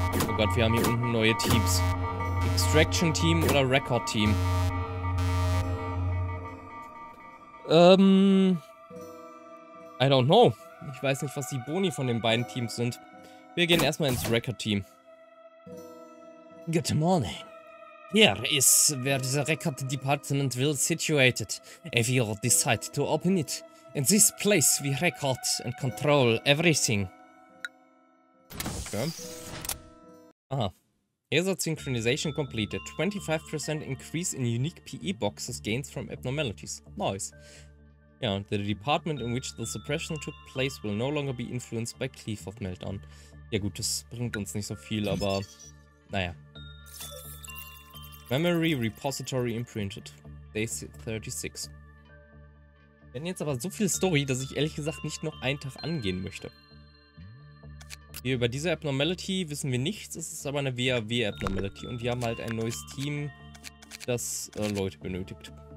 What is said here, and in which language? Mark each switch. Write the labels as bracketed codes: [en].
[de] Oh Gott, wir haben hier unten neue Teams. Extraction Team oder Record Team? [en] I don't know. [de] Ich weiß nicht, was die Boni von den beiden Teams sind. Wir gehen erstmal ins Record Team. [en] Good morning. Here is where the record department will situated, if you decide to open it. In this place we record and control everything. Okay. Aha, Hazard synchronization completed. 25% increase in unique PE boxes gains from abnormalities. Nice. Yeah, the department in which the suppression took place will no longer be influenced by Cleave of Meltdown. [de] Ja gut, das bringt uns nicht so viel, aber naja. [en] Memory repository imprinted. [de] Day 36. Wir haben jetzt aber so viel Story, dass ich ehrlich gesagt nicht noch einen Tag angehen möchte. Hier über diese Abnormality wissen wir nichts, es ist aber eine WAW-Abnormality und wir haben halt ein neues Team, das Leute benötigt.